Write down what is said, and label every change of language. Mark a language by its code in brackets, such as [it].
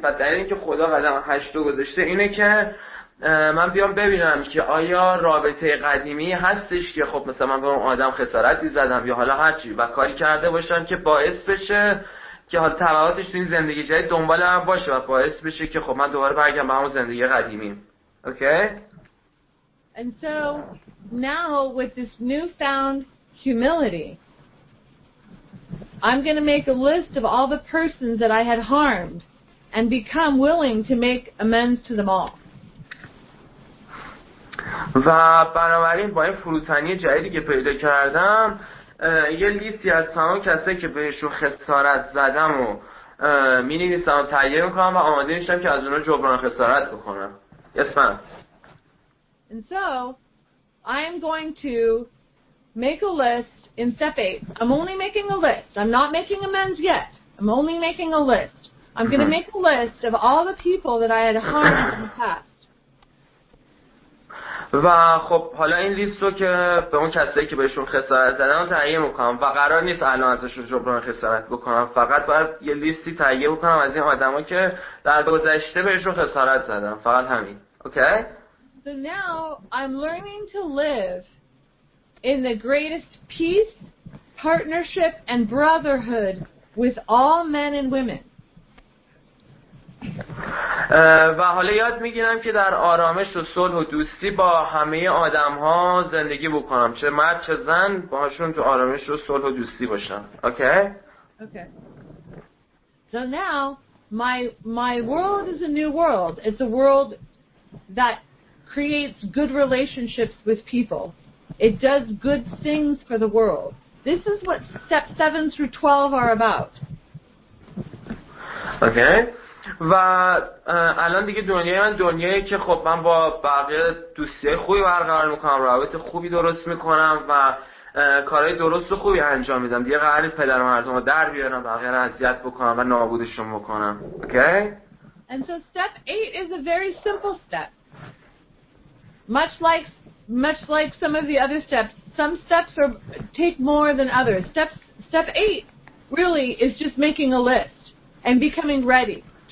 [fa] و در این که خدا قدم 8 رو گذاشته اینه که من بیام ببینم که آیا رابطه قدیمی هستش که خب مثلا من به اون آدم خسارتی زدم یا حالا هرچی و کاری کرده باشم که باعث بشه که حالا تبعاتش توی زندگی جدید دنبال من باشه و باعث بشه که خب من دوباره برگردم به همون زندگی قدیمی. اوکی؟ [en] And so now with this newfound humility I'm going to make a list of all the persons that I had harmed and become willing to make amends to them all. [fa] و بنابراین با این فروتنی جدیدی که پیدا کردم یه لیستی از تمام کسایی که بهشون خسارت زدم و می نویسم و تهیه می کنم و آماده میشم که از اونها جبران خسارت بکنم. [en] Yes ma'am. And so I am going to make a list in step 8. I'm only making a list. I'm not making amends yet. I'm only making a list. I'm going to make a list of all the people that I had harmed in the past. [fa] و خب حالا این لیست رو که به اون کسایی که بهشون خسارت زدن رو تهیه میکنم و قرار نیست الان ازشون جبران خسارت بکنم، فقط باید یه لیستی تهیه بکنم از این آدم ها که در گذشته بهشون خسارت زدم، فقط همین. اوکی؟ [en] So now I'm learning to live in the greatest peace, partnership and brotherhood with all men and women. [fa] و حالا یاد میگیرم که در آرامش و صلح و دوستی با همه آدم ها زندگی بکنم، چه مرد چه زن، باهاشون تو آرامش و صلح و دوستی باشم. اوکی؟ [en] Okay. So now my world is a new world. It's a world that creates good relationships with people. It does good things for the world. This is what step 7 through 12 are about. [fa] اوکی؟ و الان دیگه دنیای من دنیایی که خب من با بقیه دوستیای خوبی برقرار میکنم، روابط خوبی درست میکنم و کارهای درست و خوبی انجام میدم، دیگه قرار نیست پدر و مردم رو در بیارم، بقیه رو اذیت بکنم و نابودشون بکنم. اوکی؟ [en] And so step 8 is a very simple step. Much like some of the other steps, some steps are take more than others. Step 8 really is just making a list and becoming ready.